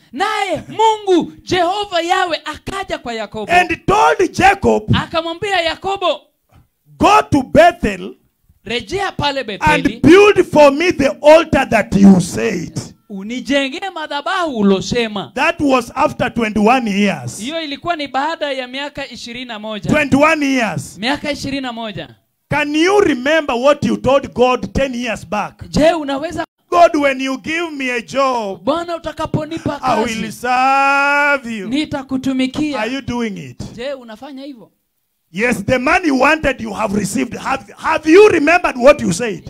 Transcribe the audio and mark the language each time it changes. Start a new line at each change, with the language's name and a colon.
Swahili: Naye Mungu Jehovah Yahweh akaja kwa Yakobo.
English: And told Jacob.
Swahili: Akamwambia Yakobo.
English: Go to Bethel.
Swahili: Rejea pale Bethel.
English: And build for me the altar that you said.
Swahili: Unijengee madhabahu ulosema.
English: That was after 21 years.
Swahili: Hiyo ilikuwa ni baada ya miaka 21.
English: 21 years.
Swahili: Miaka 21.
English: Can you remember what you told God 10 years back?
Swahili: Je, unaweza?
English: God, when you give me a job,
Swahili: Bwana utakaponipa kazi,
English: I will serve you.
Swahili: Nitakutumikia.
English: Are you doing it?
Swahili: Je, unafanya hivyo?
English: Yes, the money you wanted you have received. Have you remembered what you said?